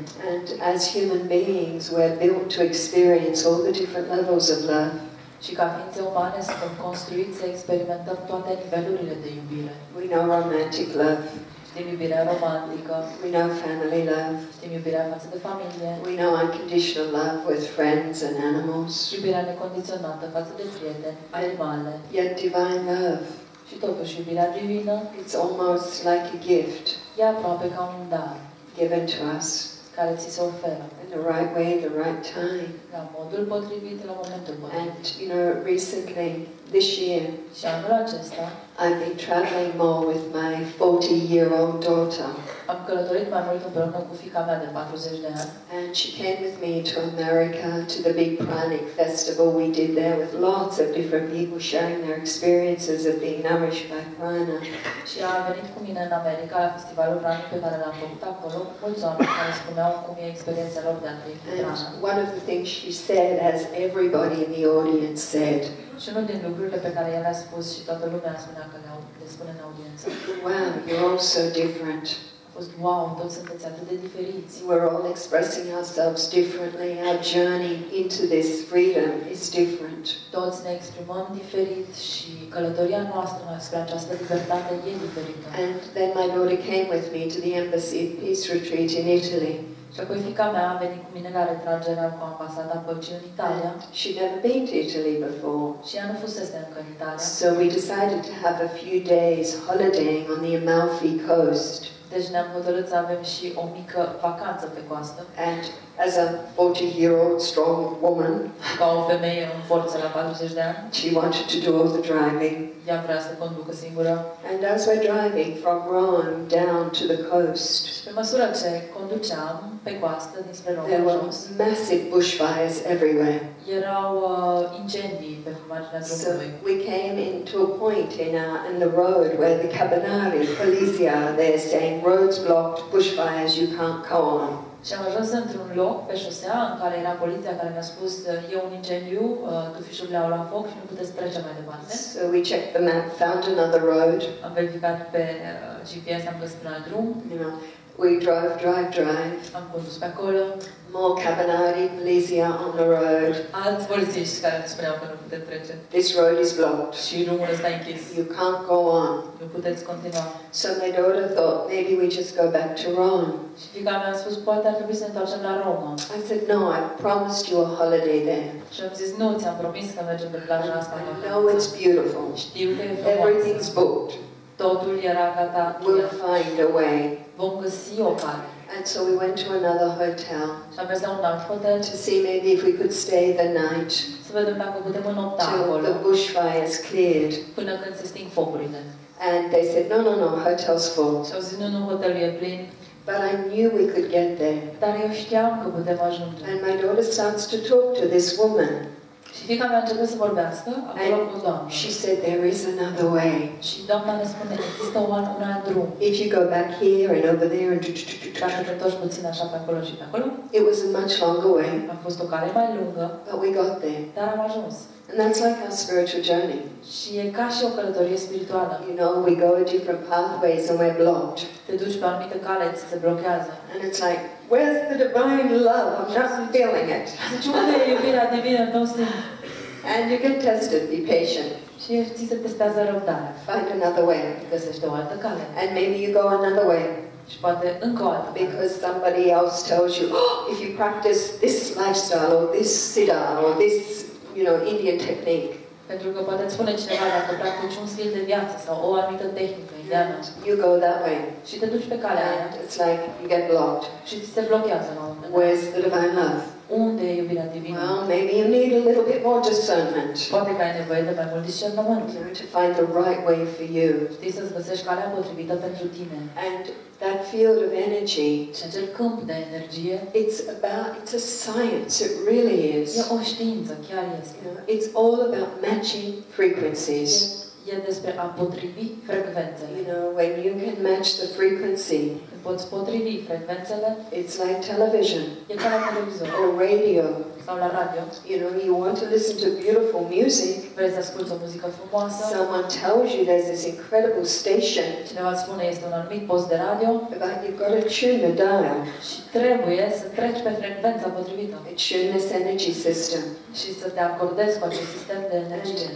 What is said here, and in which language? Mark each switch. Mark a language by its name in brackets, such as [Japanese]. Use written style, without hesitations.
[English] And as human beings, we're built to experience all the different levels of love. [Romanian] Și ca ființe umane suntem construiți să experimentăm toate nivelurile de iubire. [English] We know romantic love. [Romanian] Știm iubirea romantică. [English] We know family love. [Romanian] Știm iubirea față de familie. [English] We know unconditional love with friends and animals. [Romanian] Iubirea necondiționată față de prieteni, animale. [English] Yet divine love. [Romanian] Și totuși iubirea divină. [English] It's almost like a gift. [Romanian] E aproape ca un dar. [English] Given to us. [Romanian] Care ți se oferă. [English] In the right way, the right time. [Romanian] La modul potrivit, la momentul potrivit. [English] And, you know, recently, this year, [Romanian] și anul acesta, [English] I've been traveling more with my 40-year-old daughter. [Romanian] Am călătorit mai mult împreună cu fiica mea de 40 de ani. [English] And she came with me to America to the big pranic festival we did there with lots of different people sharing their experiences of being nourished by prana. [Romanian] Și a venit cu mine în America la festivalul pranic pe care l-am făcut acolo, mulți oameni care spuneau cum e experiența lor de a primi prana. [English] One of the things she said, as everybody in the audience said, [Romanian] și unul din lucrurile pe care el a spus și toată lumea spunea că le spune în audiență. [English] Wow, you're all so different. [Romanian] Wow, toți sunteți atât de diferiți. [English] We're all expressing ourselves differently. Our journey into this freedom is different. [Romanian] Toți ne exprimăm diferit și călătoria noastră spre această libertate e diferită. [English] And then my daughter came with me to the embassy peace retreat in Italy. [Romanian] Și apoi fiica mea a venit cu mine la retragerea cu ambasada păcii în Italia. [English] She never been to Italy before. [Romanian] Și ea nu fusese încă în Italia. [English] So we decided to have a few days holidaying on the Amalfi coast. [Romanian] Deci ne-am hotărât să avem și o mică vacanță pe coastă. [English] And as a 40-year-old strong woman, [Romanian] ca o femeie în forță la 40 de ani, [English] she wanted to do all the driving. [Romanian] Ea vrea să conducă singură. [English] And as we're driving from Rome down to the coast, [Romanian] pe măsură ce conduceam pe coastă dinspre Rome, [English] there were massive bushfires everywhere. [Romanian] Erau incendii pe marginea drumului. [English] So we came into a point in the road where the carabinieri, poliția, they're saying roads blocked, bushfires, you can't go on. [Romanian] Și am ajuns într-un loc pe șosea în care era poliția care mi-a spus e un incendiu, tufișurile au luat foc și nu puteți trece mai departe. [English] So we checked the map, found another road. [Romanian] Am verificat pe GPS, am găsit un alt drum. [English] You know, we drive. [Romanian] Am condus pe acolo. [English] More carabinieri, poliția on the road. [Romanian] Alți polițiști care ne spuneau că nu puteți trece. [English] This road is blocked. [Romanian] Și drumul ăsta închis. [English] You can't go on. [Romanian] Nu puteți continua. [English] So my daughter thought, maybe we just go back to Rome. [Romanian] Și fiica mea a spus, poate ar trebui să ne întoarcem la Roma. [English] I said, no, I promised you a holiday there. [Romanian] Și am zis, nu, ți-am promis că mergem pe plaja asta. [English] I know it's beautiful. [Romanian] Știu că e frumos. [English] Everything's booked. [Romanian] Totul era gata. [English] We'll find a way. [Romanian] Vom găsi o cale. [English] And so we went to another hotel. [Romanian] Și am mers la un alt hotel. [English] To see maybe if we could stay the night. [Romanian] Să vedem dacă putem nopta acolo. [English] Till the bushfires cleared. [Romanian] Până când se sting focurile. [English] And they said, no, no, no, hotel's full. [Romanian] Și au zis, nu, nu, hotelul e plin. [English] But I knew we could get there. [Romanian] Dar eu știam că putem ajunge. [English] And my daughter starts to talk to this woman. [Romanian] Și fiica mea începe să vorbească acolo cu doamna. [English] She said, there is another way. [Romanian] Și doamna ne spune, există un alt drum. [English] If you go back here and over there and... [Romanian] Dacă te întorci puțin așa pe acolo și pe acolo. [English] It was a much longer way. [Romanian] A fost o cale mai lungă. [English] But we got there. [Romanian] Dar am ajuns. [English] And that's like our spiritual journey. [Romanian] Și e ca și o călătorie spirituală. [English] You know, we go a different pathways and we're blocked. [Romanian] Te duci pe anumite cale, ți se blochează. [English] And it's like, where's the divine love? I'm not feeling it. [Romanian] Zici, unde e iubirea divină? Nu simt. [English] And you get tested, be patient. [Romanian] Și ți se testează răbdarea. [English] Find another way. [Romanian] Găsește o altă cale. [English] And maybe you go another way. [Romanian] Și poate încă o altă. [English] Because somebody else tells you, oh, if you practice this lifestyle or this siddha or this, you know, Indian technique. [Romanian] Pentru că poate spune cineva dacă practici un stil de viață sau o anumită tehnică indiană. [English] You go that way. [Romanian] Și te duci pe calea aia. [English] It's like you get blocked. [Romanian] Și ți se blochează la un moment. [English] Where's the divine love? [Romanian] Unde e iubirea divină? [English] Well, maybe you need a little bit more discernment. [Romanian] Poate că ai nevoie de mai mult discernământ. [English] You need to find the right way for you. [Romanian] Știi să-ți găsești calea potrivită pentru tine. [English] And that field of energy. [Romanian] Și acel câmp de energie. [English] It's about, it's a science, it really is. [Romanian] E o știință, chiar este. [English] It's all about matching frequencies. [Romanian] E despre a potrivi frecvențele. [English] You know, when you can match the frequency. [Romanian] Poți potrivi frecvențele. [English] It's like television. [Romanian] E ca la televizor. [English] Or radio. [Romanian] Sau la radio. [English] You know, you want to listen to beautiful music. [Romanian] Vrei să asculți o muzică frumoasă. [English] Someone tells you there's this incredible station. [Romanian] Cineva îți spune, este un anumit post de radio. [English] But you've got to tune the dial. [Romanian] Și trebuie să treci pe frecvența potrivită. [English] Tune this energy system. [Romanian] Și să te acordezi cu acest sistem de energie.